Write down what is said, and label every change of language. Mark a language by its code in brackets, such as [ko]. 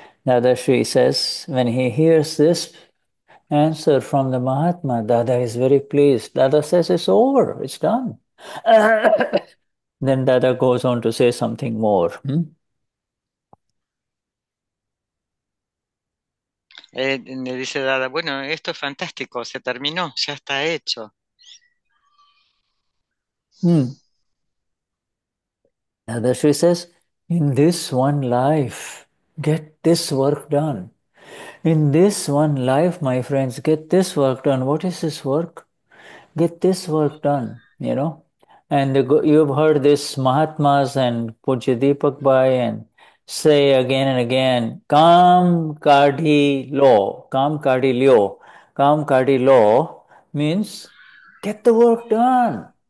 [en] Dadashri says, when he hears this answer from the Mahatma, Dada is very pleased. Dada says, it's over, it's done. Then Dada goes on to say something more. [es] Me dice Dada, bueno, esto es fantástico, se terminó, ya está hecho. [en] Dadashri says, in this one life, get this work done. In this one life, my friends, get this work done. What is this work? Get this work done, you know. And you've heard this Mahatmas and Pujya Deepak Bhai and say again and again, [gu] Kam Kadi Lo, Kam Kadi Lyo, Kam Kadi Lo [en] means get the work done.